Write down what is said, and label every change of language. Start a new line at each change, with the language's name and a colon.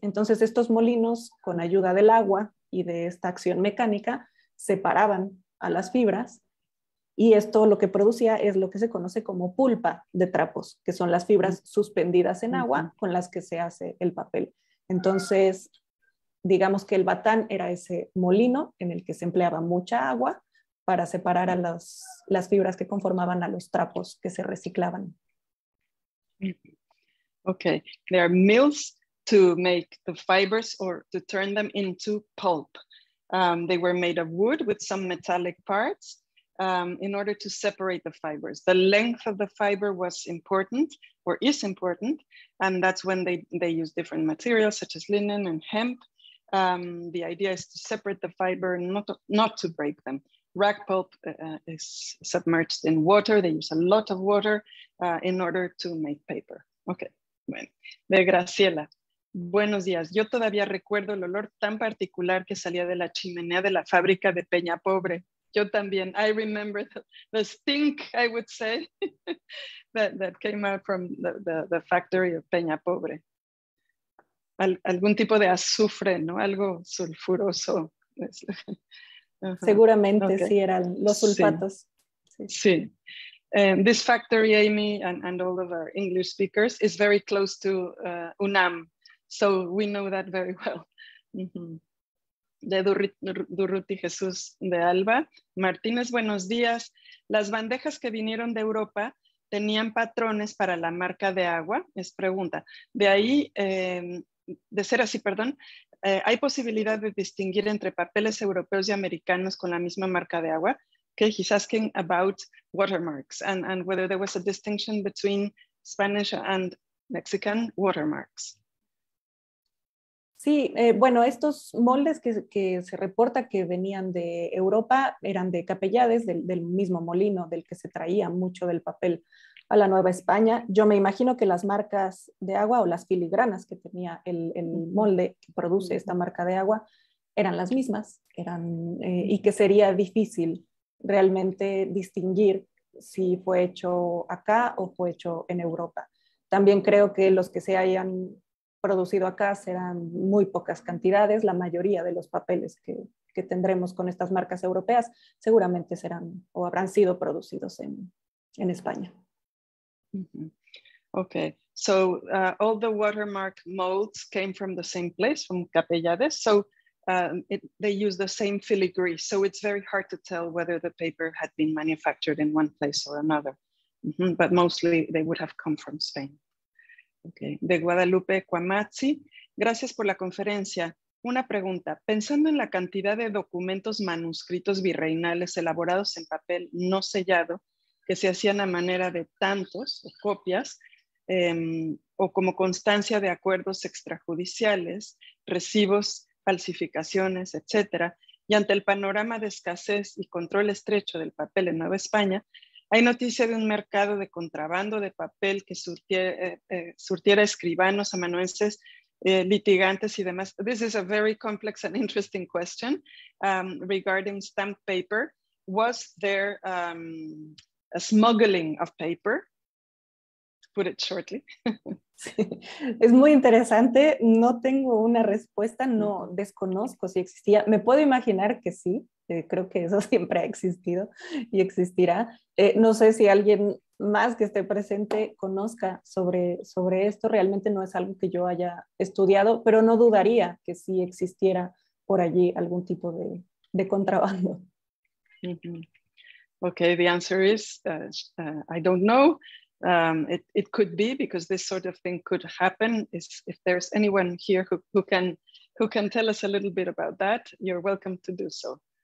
Spanish: Entonces estos molinos, con ayuda del agua y de esta acción mecánica, separaban a las fibras, y esto lo que producía es lo que se conoce como pulpa de trapos, que son las fibras suspendidas en agua con las que se hace el papel. Entonces, digamos que el batán era ese molino en el que se empleaba mucha agua para separar a las fibras que conformaban a los trapos que se reciclaban.
English: Okay, there are mills to make the fibers or to turn them into pulp. They were made of wood with some metallic parts in order to separate the fibers. The length of the fiber was important, or is important, and that's when they use different materials such as linen and hemp. The idea is to separate the fiber and not to break them. Rag pulp is submerged in water. They use a lot of water in order to make paper.
Spanish: Okay, bueno. De Graciela. Buenos días. Yo todavía recuerdo el olor tan particular que salía de la chimenea de la fábrica de Peña Pobre. Yo también.
English: I remember the stink, I would say, that came out from the factory of Peña Pobre.
Spanish: Algún tipo de azufre, ¿no? Algo sulfuroso. Seguramente, okay. Sí, eran los sulfatos. Sí. Sí.
English: This factory, Amy, and all of our English speakers, is very close to UNAM. So we know that very well.
Spanish: Mm-hmm. De Durruti Jesús de Alba. Martínez, buenos días. Las bandejas que vinieron de Europa tenían patrones para la marca de agua, es pregunta. De ahí, de ser así, perdón, ¿hay posibilidad de distinguir entre papeles europeos y americanos con la misma marca de agua?
English: Okay, he's asking about watermarks and whether there was a distinction between Spanish and Mexican watermarks.
Spanish: Sí, bueno, estos moldes que se reporta que venían de Europa eran de Capellades, del mismo molino del que se traía mucho del papel a la Nueva España. Yo me imagino que las marcas de agua o las filigranas que tenía el molde que produce esta marca de agua eran las mismas, y que sería difícil realmente distinguir si fue hecho acá o fue hecho en Europa. También creo que los que se hayan producido acá serán muy pocas cantidades. La mayoría de los papeles que tendremos con estas marcas europeas seguramente serán o habrán sido producidos en España. Mm-hmm.
English: Okay, so all the watermark molds came from the same place, from Capellades. So they use the same filigree. So it's very hard to tell whether the paper had been manufactured in one place or another. Mm-hmm. But mostly they would have come from Spain. Okay.
Spanish: De Guadalupe Cuamazzi, gracias por la conferencia. Una pregunta, pensando en la cantidad de documentos manuscritos virreinales elaborados en papel no sellado, que se hacían a manera de tantos o copias, o como constancia de acuerdos extrajudiciales, recibos, falsificaciones, etcétera, y ante el panorama de escasez y control estrecho del papel en Nueva España, hay noticia de un mercado de contrabando de papel que surtiera escribanos, amanuenses, litigantes y demás.
English: This is a very complex and interesting question regarding stamped paper. Was there a smuggling of paper? Put it shortly.
Spanish: Sí. Es muy interesante. No tengo una respuesta. No desconozco si existía. Me puedo imaginar que sí. Creo que eso siempre ha existido y existirá. No sé si alguien más que esté presente conozca sobre esto. Realmente no es algo que yo haya estudiado, pero no dudaría que sí existiera por allí algún tipo de contrabando. Mm-hmm.
English: Okay, the answer is I don't know. It could be, because this sort of thing could happen. If there's anyone here who can tell us a little bit about that, you're welcome to do so.